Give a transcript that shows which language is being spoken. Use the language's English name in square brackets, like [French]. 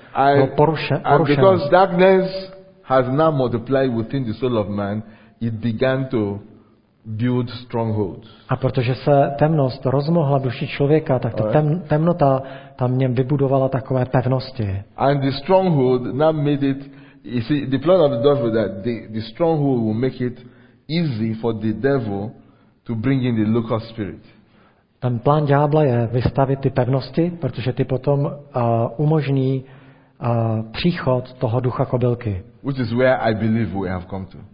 [English] And because darkness has now multiplied within the soul of man, it began to build strongholds. [Czech] A protože se temnost rozmohla v duši člověka, tak ta temnota tam v něm vybudovala takové pevnosti. [English] And the stronghold now made it. You see, the plan of the devil that the stronghold will make it easy for the devil to bring in the locust spirit. [Czech] Ten plán ďábla je vystavit ty pevnosti, protože ty potom umožní příchod toho ducha kobylky. [English] Which is where I believe we have come to.